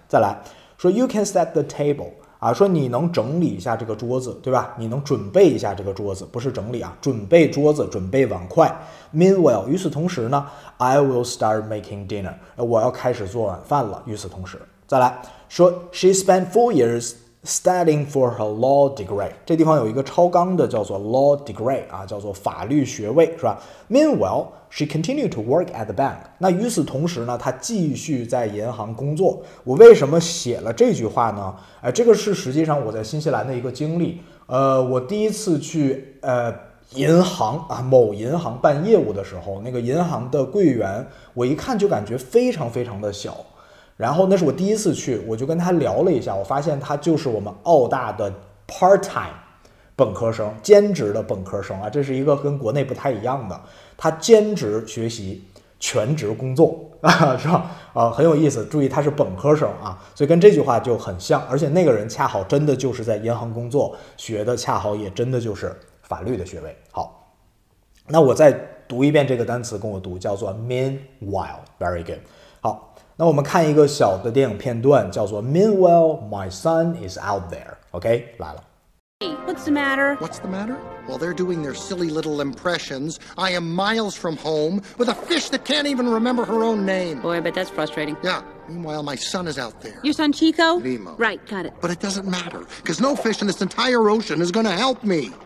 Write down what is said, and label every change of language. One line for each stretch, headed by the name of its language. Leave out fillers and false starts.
Chinese: 再来说
English: you can set the table
Chinese: 啊，说你能整理一下这个桌子，对吧，你能准备一下这个桌子，不是整理啊，准备桌子，准备碗筷。 meanwhile 与此同时呢，
English: I will start making dinner，
Chinese: 我要开始做晚饭了，与此同时。再来说
English: she spent 4 years studying for her law degree，
Chinese: 这地方有一个超纲的叫做 law degree 啊，叫做法律学位，是吧？
English: Meanwhile she continued to work at the bank，
Chinese: 那与此同时呢，她继续在银行工作。我为什么写了这句话呢？这个是实际上我在新西兰的一个经历。我第一次去银行啊，某银行办业务的时候，那个银行的柜员我一看就感觉非常非常的小，然后那是我第一次去，我就跟他聊了一下，我发现他就是我们澳大的 part time 本科生，兼职的本科生啊，这是一个跟国内不太一样的，他兼职学习全职工作啊，是吧？很有意思，注意他是本科生啊，所以跟这句话就很像，而且那个人恰好真的就是在银行工作，学的恰好也真的就是法律的学位。好，那我再读一遍这个单词，跟我读，叫做 meanwhile，
English: very good。
Chinese: 好，那我们看一个小的电影片段，叫做
English: meanwhile my son is out there，
Chinese: OK， 来了。
English: What's the matter? What's the matter? While they're doing their silly little impressions, I am miles from home with a fish that can't even remember her own name. Boy, I bet that's frustrating. Yeah. Meanwhile, my son is out there. Your son Chico? Nemo. Right, got it. But it doesn't matter, because no fish in this entire ocean is going to help me.